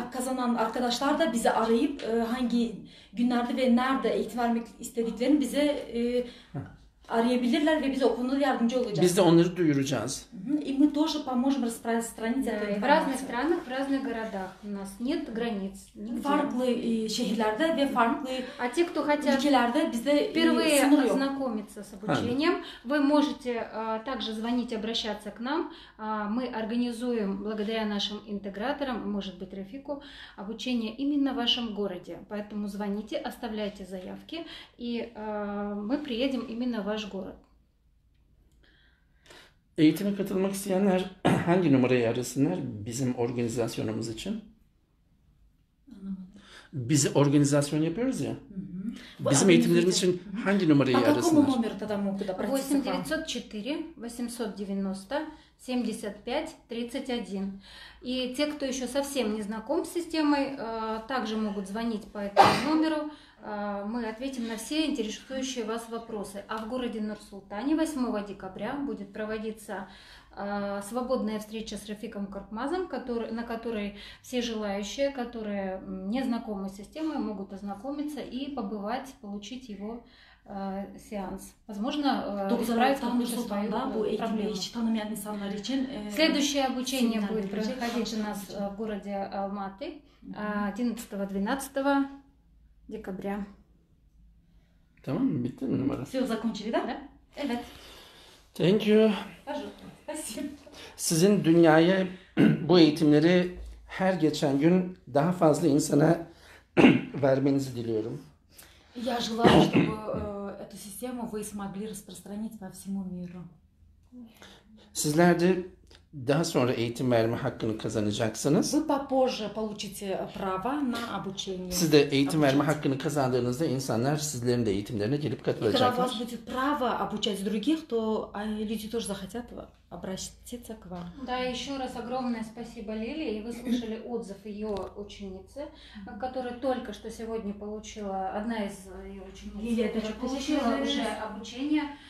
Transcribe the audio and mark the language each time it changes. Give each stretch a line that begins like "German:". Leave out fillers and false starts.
Turkish: Kazanan arkadaşlar da bizi arayıp hangi günlerde ve nerede eğitim vermek istediklerini bize Arayabilirler ve biz o konuda yardımcı olacağız. Biz de onları duyuracağız.
Russian: И мы тоже поможем распространить это. В разных странах, в разных городах у нас нет границ.
Turkish: Farklı şehirlerde ve farklı ülkelerde bize
Russian: впервые ознакомиться с обучением, вы можете также звонить, обращаться к нам. Мы организуем благодаря нашим интеграторам, может быть, Рафику, обучение именно в вашем городе. Поэтому звоните, оставляйте заявки, и мы приедем именно в ваш город.
Turkish: Eğitime katılmak isteyenler hangi numarayı arasınlar bizim organizasyonumuz için? Anlamadım. Biz organizasyon yapıyoruz ya. Hı-hı. Bizim eğitimlerimiz için hangi numarayı arasınlar?
Russian: Какой номер тогда могут обратиться? 804 890 75 31. И те, кто еще совсем не знаком с системой, также могут звонить по этому номеру. Мы ответим на все интересующие вас вопросы. А в городе Нур-Султане 8 декабря будет проводиться свободная встреча с Рафиком Корпмазом, на которой все желающие, которые не знакомы с системой, могут ознакомиться и побывать, получить его сеанс. Возможно, исправить какую-то свою проблему. Следующее обучение будет проходить у нас в городе Алматы 11-12 декабря.
Turkish: Tamam mı? Bitti mi numara?
Russian: Все закончили, да?
Turkish: Evet.
English: Thank you.
Russian: Пожалуйста. Спасибо.
Turkish: Sizin dünyaya bu eğitimleri her geçen gün daha fazla insana vermenizi diliyorum.
Russian: Я желаю, чтобы эту систему вы смогли распространить по всему миру.
Turkish: Sizler de daha sonra eğitim verme hakkını kazanacaksınız.
Russian: Вы попозже получите право на обучение.
Turkish: Siz de eğitim verme hakkını kazandığınızda insanlar sizlerin de eğitimlerine gelip katılacaklar.
Russian: Если у вас будет право обучать других, то люди тоже захотят обратиться к вам. Да, еще раз огромное спасибо Лиле, и вы слышали отзыв ее ученицы, которая только что сегодня получила, одна из ее учениц, получила уже обучение.